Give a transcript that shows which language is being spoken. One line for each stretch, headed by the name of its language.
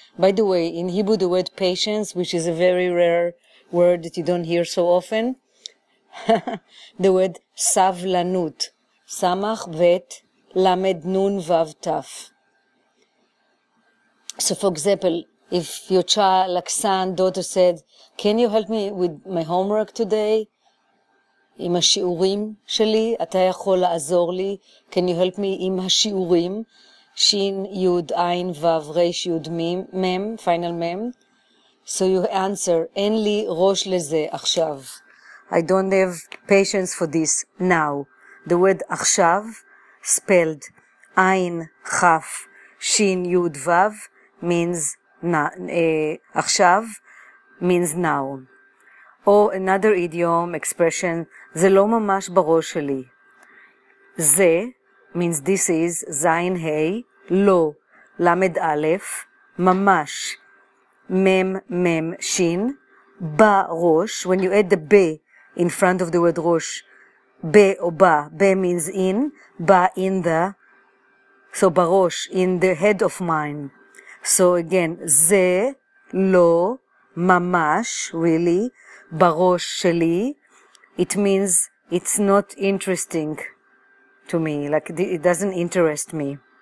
English: By the way, in Hebrew, the word patience, which is a very rare word that you don't hear so often, the word savlanut, samach vet lamed nun vav taf. So for example, if your child, like son, daughter said, can you help me with my homework today?
Hebrew: עם השיעורים שלי, אתה יכול לעזור לי. Can you help me עם השיעורים?
English: Shin, Yud, Ein, Vav, Resh, Yud, Mem, final Mem.
Hebrew: So you answer, En li rosh leze, achshav.
English: I don't have patience for this now. The word achshav, spelled Ein, Chaf, Shin, Yud, Vav, means achshav, means now.
Hebrew: Or another idiom, expression, זה לא ממש בראש שלי.
English: זה, means this is, זיין, היי, לא, למד א', ממש, מם, מם, שין, בראש, when you add the ב in front of the word ראש, ב או ב, ב means in, ב in the, so בראש, in the head of mine. So again, זה, לא, ממש, really, בראש שלי, it means it's not interesting to me, like it doesn't interest me.